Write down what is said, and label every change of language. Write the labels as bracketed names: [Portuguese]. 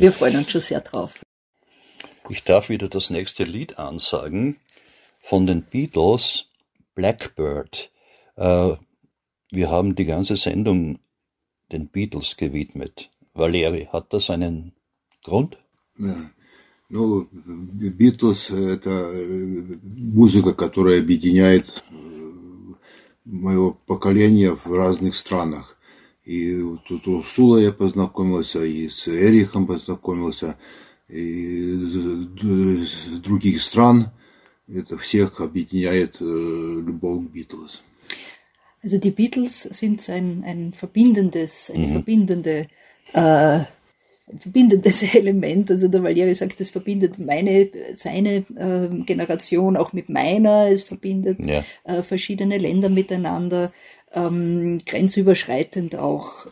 [German] Wir freuen uns schon sehr drauf. Ich darf wieder das nächste Lied ansagen von den Beatles, Blackbird. Wir haben die ganze Sendung den Beatles gewidmet. Valeri, hat das einen Grund? Ja. [Russian] Ну, Битлз – это музыка, которая объединяет моё поколение в разных странах. И тут у Сула я познакомился, и с Эрихом познакомился, и с других стран. Это всех объединяет любовь к Битлз. [German] Also die Beatles sind ein verbindendes, ein verbindende verbindendes Element, also der Valeri sagt, es verbindet seine Generation auch mit meiner, es verbindet verschiedene Länder miteinander, grenzüberschreitend auch.